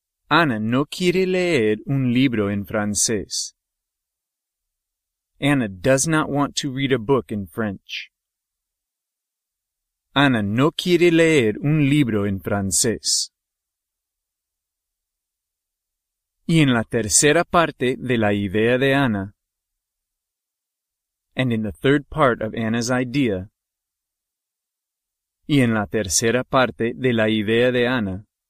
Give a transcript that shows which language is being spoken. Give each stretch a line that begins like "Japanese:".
Spanish: Ana no quiere leer un libro en francés.
English: Anna does not want to read a book in French.
Spanish: Anna no quiere leer un libro en francés. Y en la tercera parte de la idea de Anna.
English: And in the third part of Anna's idea.
Spanish: Y en la tercera parte de la idea de Anna.